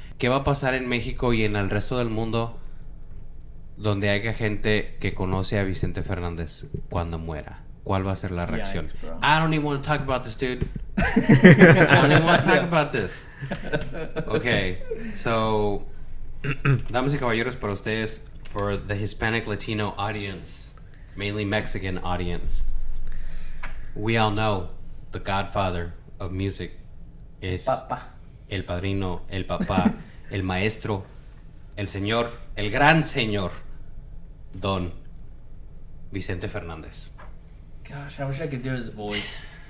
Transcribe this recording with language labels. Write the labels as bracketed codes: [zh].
[es] ¿Qué va a pasar en México y en el resto del mundo donde haya gente que conoce a Vicente Fernández cuando muera? ¿Cuál va a ser la reacción? [en] Yikes, I don't even want to talk about this, dude. I don't even want to talk about this. Okay, so... [es] Damas y caballeros, para ustedes... [en] For the Hispanic Latino audience, mainly Mexican audience, we all know the godfather of music is [es] Papa. El padrino, el papá, el maestro, el señor, el gran señor, Don Vicente Fernández. [en] Gosh, I wish I could do his voice.